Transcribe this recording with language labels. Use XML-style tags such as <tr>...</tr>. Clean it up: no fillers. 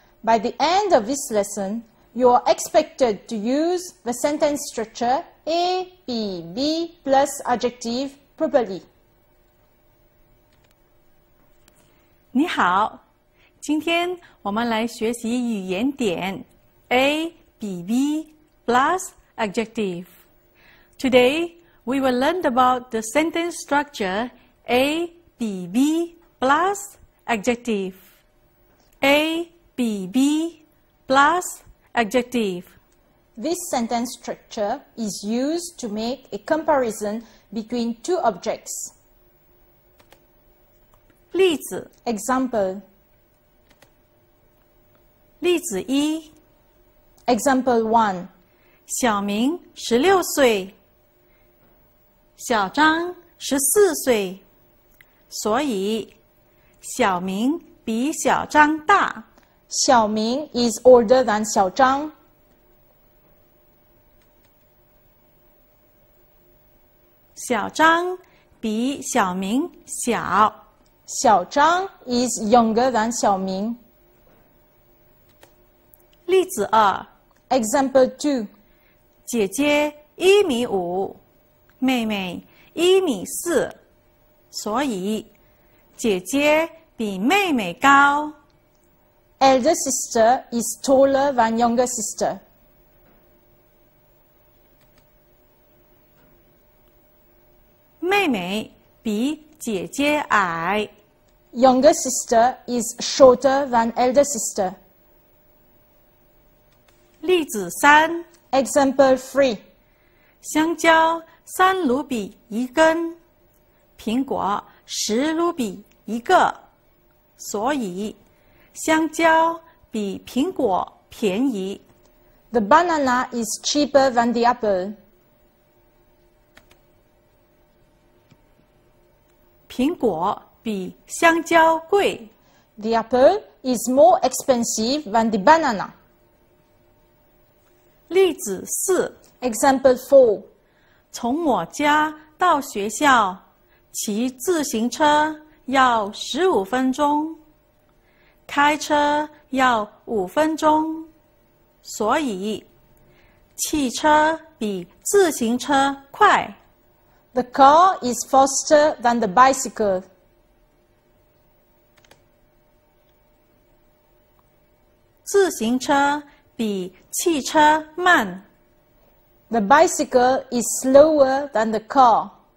<en>By the end of this lesson, you are expected to use the sentence structure AP, B plus adjective properly.</en> <zh>你好，今天我们来学习语言点 A, B, B plus adjective.</zh> <en>Today, we will learn about the sentence structure A, B, B plus adjective. A, B, B plus adjective. This sentence structure is used to make a comparison between two objects.</en> <zh>例子</zh> <en>Example</en> <zh>例子一</zh> <en>Example 1</en> <zh>小明16岁小张14岁所以小明比小张大</zh> <en>小明 is older than 小张</en> <zh>小张比小明小</zh> <en>小张 is younger than 小明。</en> <zh>例子二</zh> <en>Example 2</en> <zh>姐姐一米五，妹妹一米四，所以姐姐比妹妹高。</zh> <en>Elder sister is taller than younger sister.</en> <zh>妹妹比姐姐矮。</zh> <en>Younger sister is shorter than elder sister.</en> <zh>例子三</zh> <en>Example 3</en> <zh>香蕉三卢比一根，苹果十卢比一个，所以香蕉比苹果便宜。</zh> <en>The banana is cheaper than the apple.</en> <zh>苹果比香蕉贵。</zh> <en>The apple is more expensive than the banana.</en> <zh>例子四</zh> <en>Example 4</en> <zh>从我家到学校骑自行车要15分钟开车要5分钟所以汽车比自行车快。</zh> <en>The car is faster than the bicycle.</en> <zh>自行车比汽车慢。</zh> <en>The bicycle is slower than the car.</en>